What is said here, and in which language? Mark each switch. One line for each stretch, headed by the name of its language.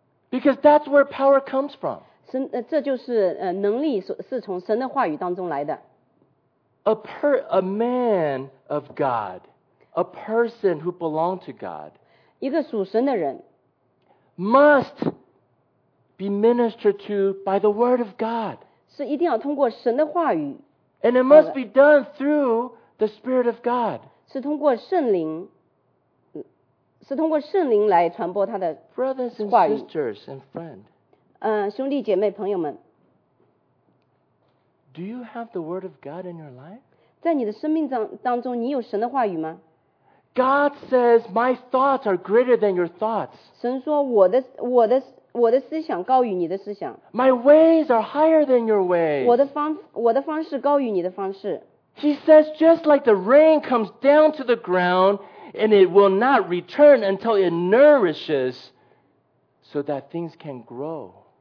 English: Because that's where power comes from.
Chinese: 这就是能力是从神的话语当中来的。
English: A man of God, a person who belonged to God,
Chinese: 一个属神的人,
English: must be ministered to by the word of God.
Chinese: 是一定要通过神的话语,
English: and it must be done through the Spirit of God.
Chinese: 是通过圣灵, 是通过圣灵来传播他的话语。
English: Brothers and sisters and friends,
Chinese: 兄弟姐妹朋友们,
English: do you have the word of God in your life?
Chinese: 在你的生命当中, 你有神的话语吗?
English: God says, my thoughts are greater than your thoughts.
Chinese: 神说我的思想高于你的思想。
English: My ways are higher than your ways.
Chinese: 我的方式高于你的方式。
English: He says, just like the rain comes down to the ground, and it will not return until it nourishes so that things can grow.